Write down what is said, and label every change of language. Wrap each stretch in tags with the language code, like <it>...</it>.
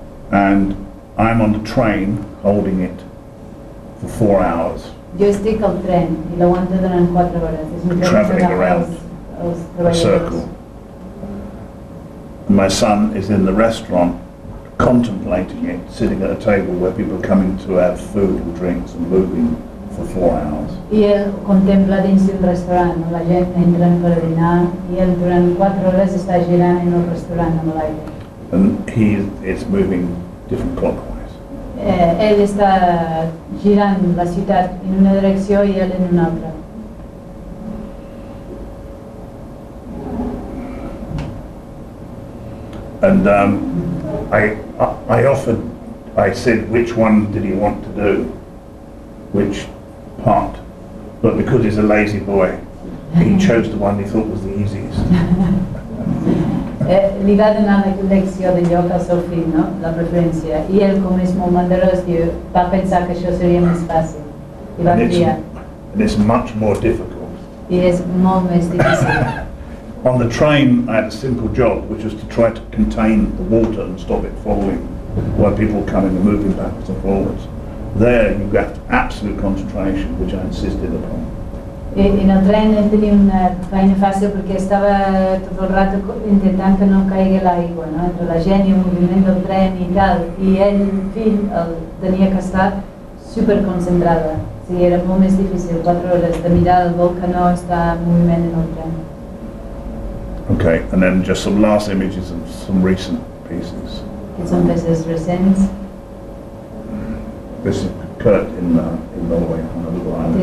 <en>And I'm on the train holding it for 4 hours.</en> <ca>Jo estic al tren i l'aguanto durant 4 hores.</ca> <en>Traveling around a circle. My son is in the restaurant contemplating it, sitting at a table where people are coming to have food and drinks and moving for 4 hours.</en> <ca>I el contempla dins del restaurant, no? La gent entra per dinar i el durant 4 hores està girant en el restaurant amb l'aire.</ca> <en>And he is moving different clockwise.</en> <ca>Ell està girant la ciutat en una direcció i ell en una altra.</ca> <en>And I said, which one did he want to do? Which part? But because he's a lazy boy, he chose the one he thought was the easiest.</en> <ca>Li va donar la lecció de lloc al seu fill, no? La preferència. I ell, com és molt mandarós, va pensar que això seria més fàcil. I va triar.</ca> <en>And it's much more difficult.</en> <ca>I és molt més difícil.</ca> <en>On the train, I had a simple job, which was to try to contain the water and stop it falling while people were coming and moving backwards and forwards. There, you got absolute concentration, which I insisted upon.</en> <ca>In el tren, ell tenia una feina fàcil perquè estava tot el rato intentant que no caigui l'aigua, no? Entre la gent i el moviment del tren i tal. I ell, en fi, el tenia que estar superconcentrada. O sigui, era molt més difícil, 4 hores, de mirar el vol que no està en moviment en el tren.</ca> <en>Okay, and then just some last images of some recent pieces. Some pieces recent. This is Kurt in Norway, on another island.</en>